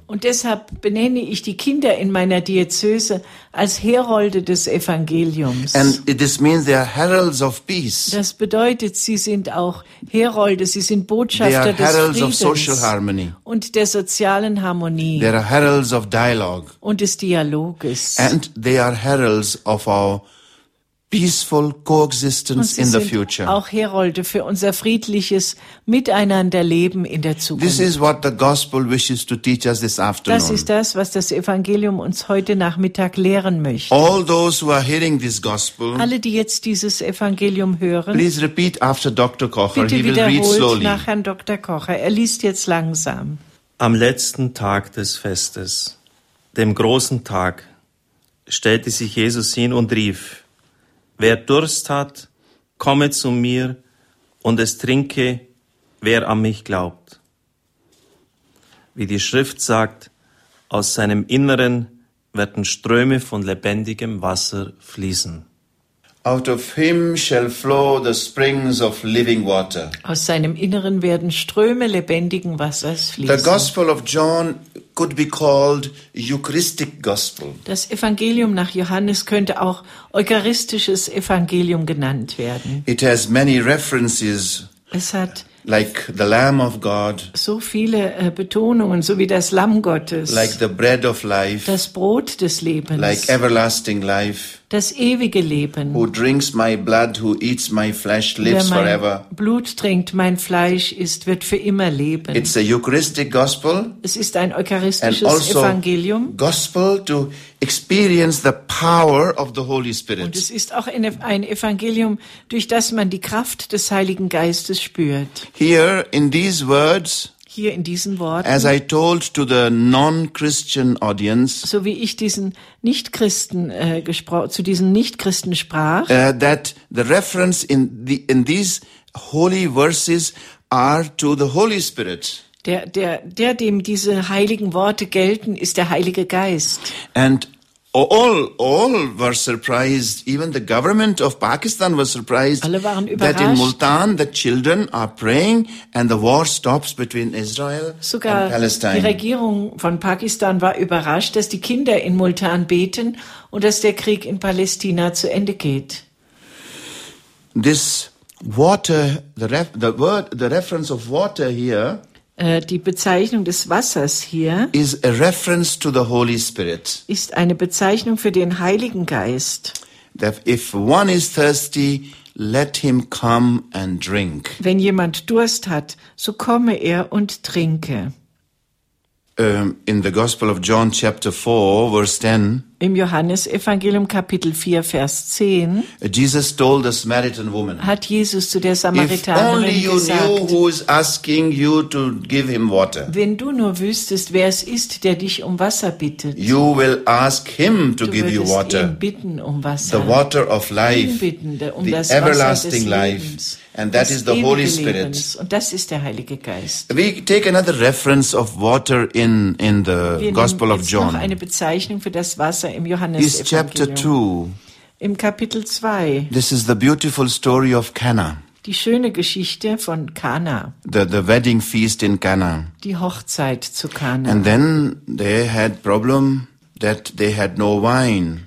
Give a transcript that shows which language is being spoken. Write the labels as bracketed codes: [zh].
[de] Und deshalb benenne ich die Kinder in meiner Diözese als Herolde des Evangeliums. [en] And this means they are heralds of peace. [de] Das bedeutet, sie sind auch Herolde, sie sind Botschafter [en] they are [de] des Friedens [en] of social harmony. [de] Und der sozialen Harmonie. [en] They are heralds of dialogue. [de] Und des Dialoges. [en] And they are heralds of our peaceful coexistence in the future. [de] Auch Herolde für unser friedliches Miteinanderleben in der Zukunft. [en] This is what the gospel wishes to teach us this afternoon. [de] Das ist das, was das Evangelium uns heute Nachmittag lehren möchte. [en] All those who are hearing this gospel. [de] Alle, die jetzt dieses Evangelium hören. [en] Please repeat after Dr. Kocher. [de] Bitte wiederholt nach Herrn Dr. Kocher. Er liest jetzt langsam. Am letzten Tag des Festes, dem großen Tag, stellte sich Jesus hin und rief: Wer Durst hat, komme zu mir und es trinke, wer an mich glaubt. Wie die Schrift sagt, aus seinem Inneren werden Ströme von lebendigem Wasser fließen. [en] Out of him shall flow the springs of living water. [de] Aus seinem Inneren werden Ströme lebendigen Wassers fließen. [en] The Gospel of John could be called Eucharistic Gospel. [de] Das Evangelium nach Johannes könnte auch eucharistisches Evangelium genannt werden. [en] It has many references. [de] Es hat [en] like the Lamb of God. [de] So viele Betonungen, so wie das Lamm Gottes. [en] Like the bread of life. [de] Das Brot des Lebens. [en] Like everlasting life. [de] Das ewige Leben. [en] Who drinks my blood, who eats my flesh, lives forever. [de] Wer mein Blut trinkt, mein Fleisch isst, wird für immer leben. [en] It's a Eucharistic gospel. [de] Es ist ein eucharistisches Evangelium. [en] And also gospel to experience the power of the Holy Spirit. [de] Und es ist auch ein Evangelium, durch das man die Kraft des Heiligen Geistes spürt. [en] Here in these words, [de] hier in diesen Worten, [en] as I told to the non-Christian audience, [de] so wie ich diesen Nichtchristen zu diesen Nichtchristen sprach, [en] that the reference in these holy verses are to the Holy Spirit. [de] Der dem diese heiligen Worte gelten, ist der Heilige Geist. [en] And all were surprised, even the government of Pakistan was surprised, [de] alle waren [en] that in Multan the children are praying and the war stops between Israel [de] sogar [en] and Palestine. [de] Die Regierung von Pakistan war überrascht, dass die Kinder in Multan beten und dass der Krieg in Palästina zu Ende geht. [en] This water, the reference of water here, [de] die Bezeichnung des Wassers hier [en] is a reference to the Holy Spirit. [de] Ist eine Bezeichnung für den Heiligen Geist. [en] That if one is thirsty, let him come and drink. [de] Wenn jemand Durst hat, so komme er und trinke. [en] In the Gospel of John chapter 4 verse 10. [de] Im Johannesevangelium Kapitel 4 Vers 10. [en] Jesus told the Samaritan woman. [de] Hat Jesus zu der Samaritanerin gesagt. [en] If only you knew who is asking you to give him water. [de] Wenn du nur wüsstest, wer es ist, der dich um Wasser bittet. [en] You will ask him to give you water. [de] Du würdest ihn bitten um Wasser. [en] The water of life. [de] Ihn bitten um das Wasser des Lebens. [en] The everlasting life. And that is the Holy Spirit. [de] Und das ist der Heilige Geist. [en] We take another reference of water in the Gospel of John. [de] Wir nehmen jetzt noch eine Bezeichnung für das Wasser im Johannesevangelium. [en] It's chapter 2. [de] Im Kapitel 2. [en] This is the beautiful story of Cana. [de] Die schöne Geschichte von Cana. [en] The wedding feast in Cana. [de] Die Hochzeit zu Cana. [en] And then they had problem that they had no wine.